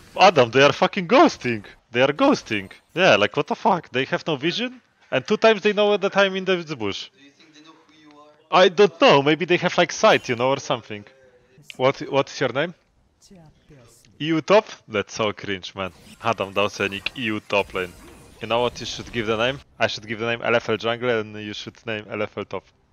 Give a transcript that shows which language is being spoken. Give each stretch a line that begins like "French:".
English: Adam, they are fucking ghosting! They are ghosting! Yeah, like what the fuck? They have no vision? And two times they know that I'm in David's bush. Do you think they know who you are? I don't know, maybe they have like sight, you know, or something. What's your name? EU top? That's so cringe, man.
Polish: Adam dał sobie nick EU top lane.
English: You know what you should give the name? I should give the name LFL jungle and you should name LFL top.